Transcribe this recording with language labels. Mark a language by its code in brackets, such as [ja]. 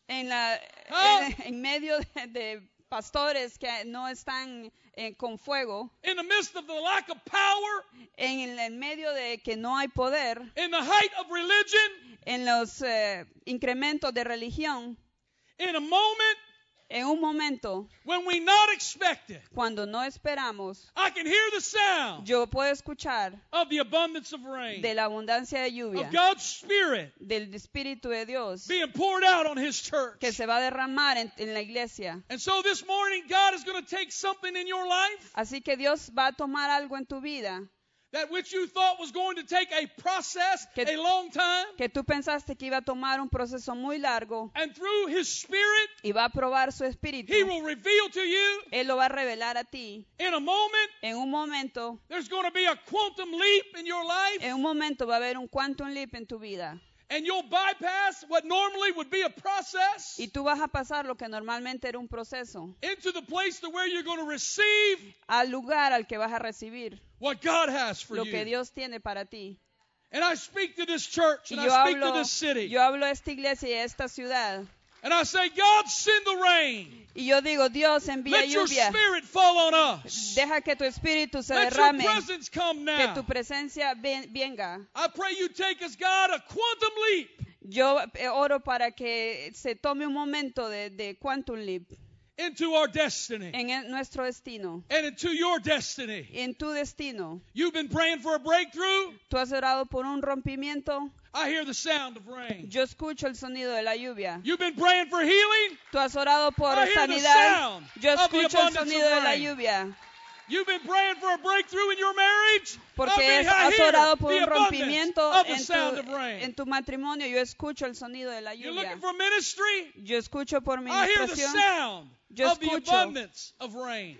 [es] en medio de pastores que no están con fuego, [en] in the midst of the lack of power, [es] en el medio de que no hay poder, [en] in the height of religion, [es] en los incrementos de religión, [en] in a moment, [es] en un momento, [en] when we not expect it, [es] cuando no esperamos, [en] I can hear the sound, [es] yo puedo escuchar, [en] of the abundance of rain, [es] de la abundancia de lluvia, [en] of God's Spirit, [es] del Espíritu de Dios, [en] being poured out on His church, [es] que se va a derramar en la iglesia. [en] And so this morning, God is going to take something in your life. [es] Así que Dios va a tomar algo en tu vida. [en] That which you thought was going to take a process, a long time, [es] que tú pensaste que iba a tomar un proceso muy largo, [en] and through His Spirit, [es] y va a probar su espíritu, [en] He will reveal to you, [es] él lo va a revelar a ti, [en] in a moment, [es] en un momento, [en] there's going to be a quantum leap in your life, [es] en un momento va a haber un quantum leap en tu vida, [en] and you'll bypass what normally would be a process, [es] y tú vas a pasar lo que normalmente era un proceso, [en] into the place to where you're going to receive, [es] al lugar al que vas a recibir. [en] What God has for [es] lo que Dios tiene para ti. [en] And I speak to this church and [es] yo hablo, [en] I speak to this city. [es] Yo hablo a esta iglesia y a esta ciudad. [en] And I say, God, send the rain. [es] Y yo digo, Dios, envía [en] Let [es] lluvia. [en] Your spirit fall on us. [es] Deja que tu espíritu se [en] Let [es] derrame. [en] Your presence come now. [es] Que tu presencia venga. [en] I pray you take us, God, a quantum leap. [es] Yo oro para que se tome un momento de quantum leap. [en] Into our destiny. [es] En nuestro destino. [en] And into your destiny. [es] En tu destino. [en] You've been praying for a breakthrough. [es] Tú has orado por un rompimiento. [en] I hear the sound of rain. [es] Yo escucho el sonido de la lluvia. [en] You've been praying for healing. [es] Tú has orado por [en] I [es] sanidad. [en] Hear the sound [es] Yo escucho [en] of the [es] el sonido de la lluvia. [en] You've been praying for a breakthrough in your marriage. [es] Porque has orado por un rompimiento en tu matrimonio. Yo escucho el sonido de la lluvia. [en] You're looking for ministry. [es] Yo escucho por ministración. [en] I hear the sound of the abundance of rain.